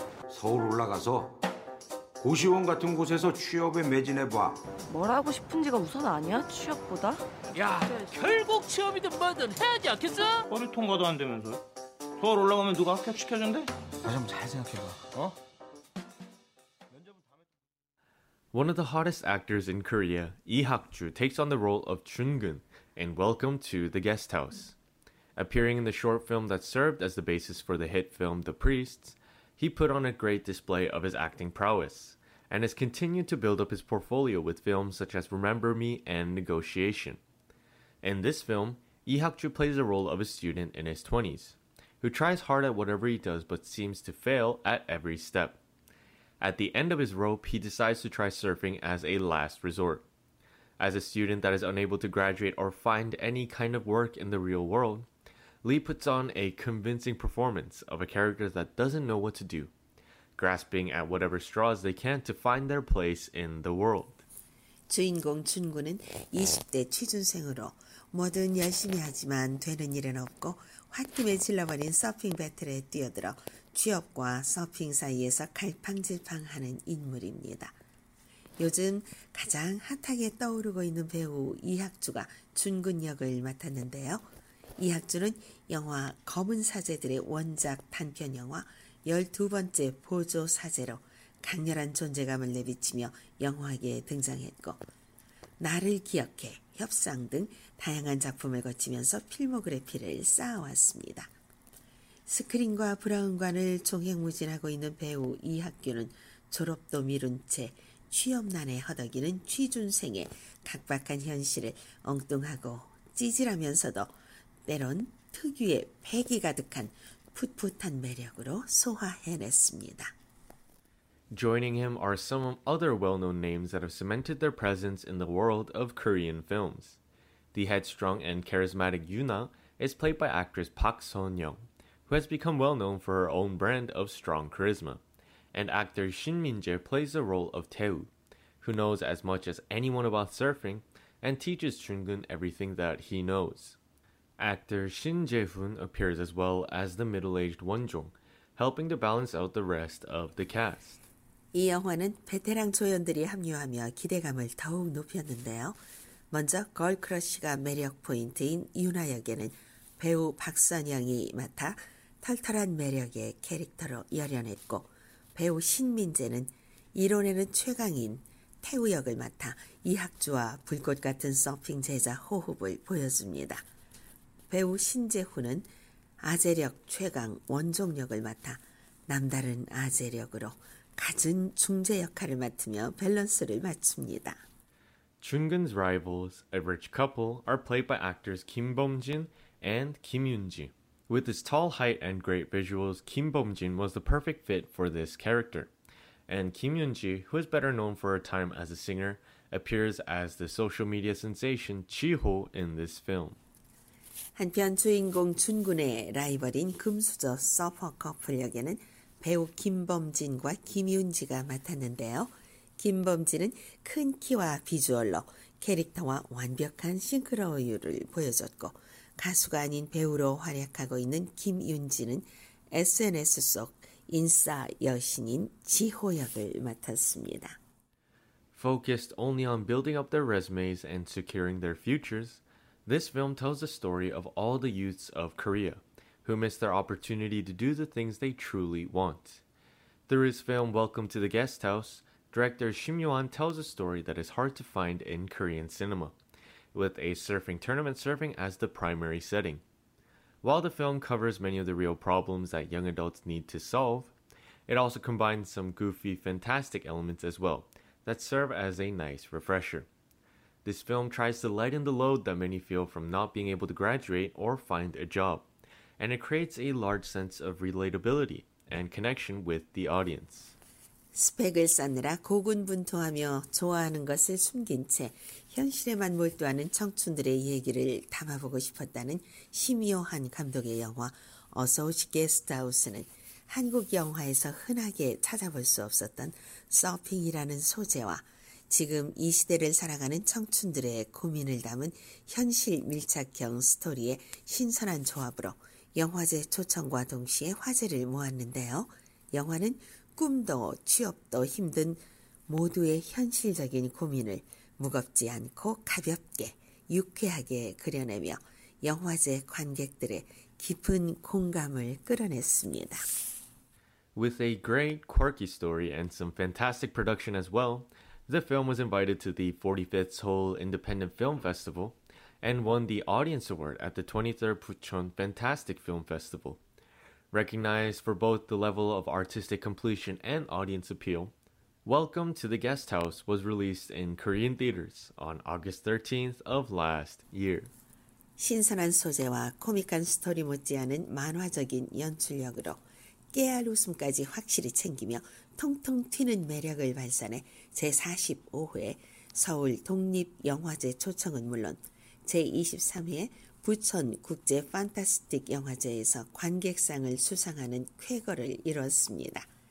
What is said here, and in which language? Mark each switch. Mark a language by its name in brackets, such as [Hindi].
[Korean] 서울 올라가서 고시원 같은 곳에서 취업에 매진해봐. 뭘 하고 싶은지가 우선 아니야? 취업보다? 야, 결국 취업이든 뭐든 해야지 않겠어? 서류 통과도 안 되면서 서울 올라가면 누가 합격 시켜준대? 다시 한번 잘 생각해봐. 어? [English] One of the hottest actors in Korea, Lee Hak-ju, takes on the role of Chun-gun in Welcome to the Guest House. Appearing in the short film that served as the basis for the hit film The Priests, he put on a great display of his acting prowess, and has continued to build up his portfolio with films such as Remember Me and Negotiation. In this film, Lee Hak-ju plays the role of a student in his 20s, who tries hard at whatever he does but seems to fail at every step. At the end of his rope, he decides to try surfing as a last resort. As a student that is unable to graduate or find any kind of work in the real world, Lee puts on a convincing performance of a character that doesn't know what to do, grasping at whatever straws they can to find their place in the world. [Korean] 주인공 준구는 20대 취준생으로 뭐든 열심히 하지만 되는 일은 없고 화팀에 질러버린 서핑 배틀에 뛰어들어 취업과 서핑 사이에서 갈팡질팡하는 인물입니다. 요즘 가장 핫하게 떠오르고 있는 배우 이학주가 준근 역을 맡았는데요. 이학주는 영화 검은 사제들의 원작 단편 영화 12번째 보조 사제로 강렬한 존재감을 내비치며 영화계에 등장했고 나를 기억해, 협상 등 다양한 작품을 거치면서 필모그래피를 쌓아왔습니다. 스크린과 브라운관을 종횡무진하고 있는 배우 이학규는 졸업도 미룬 채 취업난에 허덕이는 취준생의 각박한 현실을 엉뚱하고 찌질하면서도 때론 특유의 패기 가득한 풋풋한 매력으로 소화해냈습니다. [English] Joining him are some other well-known names that have cemented their presence in the world of Korean films. The headstrong and charismatic Yuna is played by actress Park Seon-young, who has become well-known for her own brand of strong charisma. And actor Shin Min-jae plays the role of Tae-woo, who knows as much as anyone about surfing and teaches Chun-gun everything that he knows. Actor Shin Jae-hoon appears as well as the middle-aged Won-jong, helping to balance out the rest of the cast. [Korean] 이 영화는 베테랑 조연들이 합류하며 기대감을 더욱 높였는데요. 먼저 걸크러쉬가 매력 포인트인 유나 역에는 배우 박선영이 맡아 털털한 매력의 캐릭터로 열연했고 배우 신민재는 이론에는 최강인 태우 역을 맡아 이학주와 불꽃 같은 서핑 제자 호흡을 보여줍니다. 배우 신재훈은 아재력 최강 원종 역을 맡아 남다른 아재력으로 가진 중재 역할을 맡으며 밸런스를 맞춥니다. [English] Chun-gun's rivals, a rich couple, are played by actors Kim Bom-jin and Kim Yoon-ji. With his tall height and great visuals, Kim Bom-jin was the perfect fit for this character. And Kim Yoon-ji, who is better known for her time as a singer, appears as the social media sensation Chi-ho in this film. [Korean] 한편 주인공 준군의 라이벌인 금수저 서퍼 커플 역에는 배우 김범진과 김윤지가 맡았는데요. 김범진은 큰 키와 비주얼로 캐릭터와 완벽한 싱크로율을 보여줬고 가수가 아닌 배우로 활약하고 있는 김윤지는 SNS 속 인싸 여신인 지호 역을 맡았습니다. [English] focused only on building up their resumes and securing their futures, this film tells the story of all the youths of Korea who miss their opportunity to do the things they truly want. Through his film Welcome to the Guest House, director Shim Yo-han tells a story that is hard to find in Korean cinema, with a surfing tournament serving as the primary setting. While the film covers many of the real problems that young adults need to solve, it also combines some goofy, fantastic elements as well that serve as a nice refresher. This film tries to lighten the load that many feel from not being able to graduate or find a job, and it creates a large sense of relatability and connection with the audience. [Korean] 스펙을 쌓느라 고군분투하며 좋아하는 것을 숨긴 채 현실에만 몰두하는 청춘들의 얘기를 담아보고 싶었다는 심 요한 감독의 영화 어서 오십 게스트하우스는 한국 영화에서 흔하게 찾아볼 수 없었던 서핑이라는 소재와 지금 이 시대를 살아가는 청춘들의 고민을 담은 현실 밀착형 스토리의 신선한 조합으로 영화제 초청과 동시에 화제를 모았는데요. 영화는 꿈도 취업도 힘든 모두의 현실적인 고민을 무겁지 않고 가볍게 유쾌하게 그려내며 영화제 관객들의 깊은 공감을 끌어냈습니다. [English] With a great quirky story and some fantastic production as well, the film was invited to the 45th Seoul Independent Film Festival and won the Audience Award at the 23rd Pucheon Fantastic Film Festival. Recognized for both the level of artistic completion and audience appeal, Welcome to the Guest House was released in Korean theaters on August 13th of last year. [Korean] 신선한 소재와 코믹한 스토리 못지않은 만화적인 연출력으로 깨알 웃음까지 확실히 챙기며 통통 튀는 매력을 발산해 제45회 서울 독립영화제 초청은 물론 제23회 부천 국제 판타스틱 영화제에서 관객상을 수상하는 쾌거를 이뤘습니다.